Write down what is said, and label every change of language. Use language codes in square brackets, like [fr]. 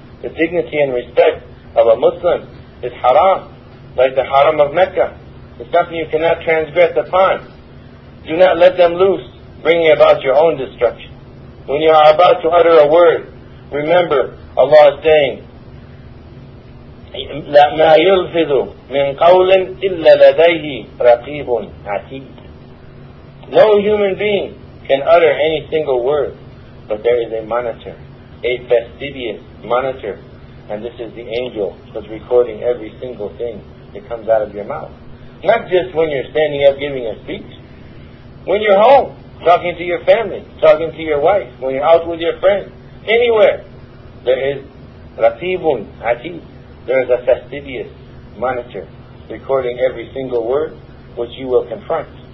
[en] The dignity and respect of a Muslim is haram, like the haram of Mecca. It's something you cannot transgress upon. Do not let them loose, bringing about your own destruction. When you are about to utter a word, remember Allah is saying, [ar] ما يلفظ من قول إلا لديه رقيب عتيد. [en] No human being can utter any single word, but there is a monitor, a fastidious monitor, and this is the angel who's recording every single thing that comes out of your mouth. Not just when you're standing up giving a speech, when you're home, talking to your family, talking to your wife, when you're out with your friends, anywhere, there is Ratibun Ati, there is a fastidious monitor recording every single word which you will confront.